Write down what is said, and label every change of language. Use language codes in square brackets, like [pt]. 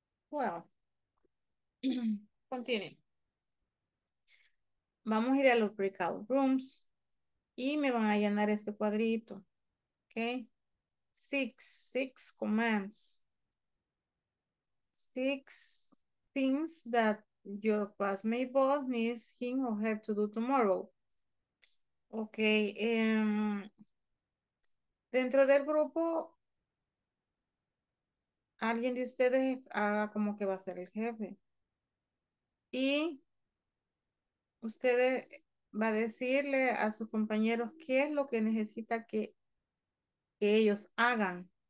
[en] Well, continue. [es] Vamos a ir a los breakout rooms y me van a llenar este cuadrito. [en] Okay. Six commands. Six things that your classmate boss needs him or her to do tomorrow. Okay. [es] Dentro del grupo, alguien de ustedes haga como que va a ser el jefe. Y ustedes va a decirle a sus compañeros qué es lo que necesita que ellos hagan.